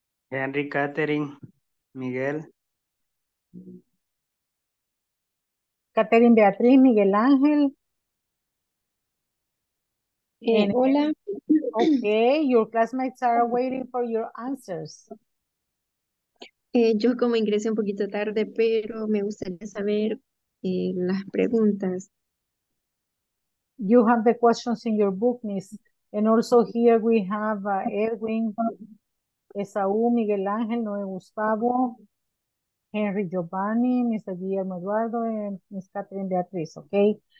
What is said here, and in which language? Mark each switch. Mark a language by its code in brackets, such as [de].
[en] Henry, Catherine, Miguel. Catherine, Beatriz, Miguel Ángel. [es] Hola. [en] Okay, your classmates are waiting for your answers. [es] Yo como ingresé un poquito tarde, pero me gustaría saber las preguntas. [en] You have the questions in your book, Miss. And also here we have Edwin, Esaú, Miguel Ángel, Noé Gustavo, Henry Giovanni, Mr. Guillermo Eduardo, and Miss Catherine Beatriz, okay?